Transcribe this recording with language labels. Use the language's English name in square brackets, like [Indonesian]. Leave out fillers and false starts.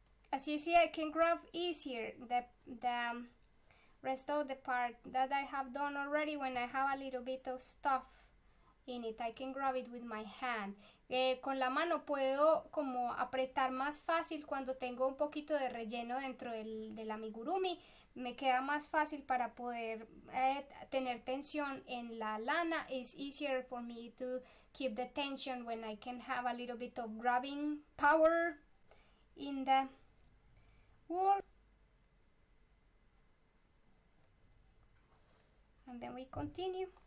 [English] As you see, I can graph easier the rest of the part that I have done already when I have a little bit of stuff in it. I can grab it with my hand. [Spanish] Con la mano puedo como apretar más fácil cuando tengo un poquito de relleno dentro del amigurumi. Me queda más fácil para poder tener tensión en la lana. [English] It's easier for me to keep the tension when I can have a little bit of grabbing power in the... And then we continue.